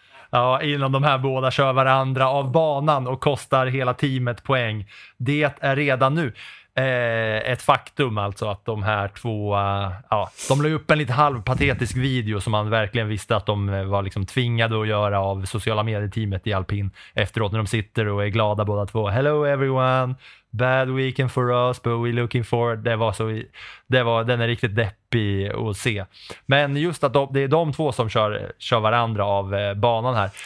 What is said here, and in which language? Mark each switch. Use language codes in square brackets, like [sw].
[sv] Ja, innan de här båda kör varandra av banan och kostar hela teamet poäng. Det är redan nu ett faktum alltså att de här två... Ja, de la upp en lite halvpatetisk video som man verkligen visste att de var liksom tvingade att göra av sociala medieteamet i Alpin efteråt när de sitter och är glada båda två. [en] Hello everyone! Bad weekend for us, but we're looking forward. [sv] Den är riktigt deppig att se. Men just att det är de två som kör varandra av banan här.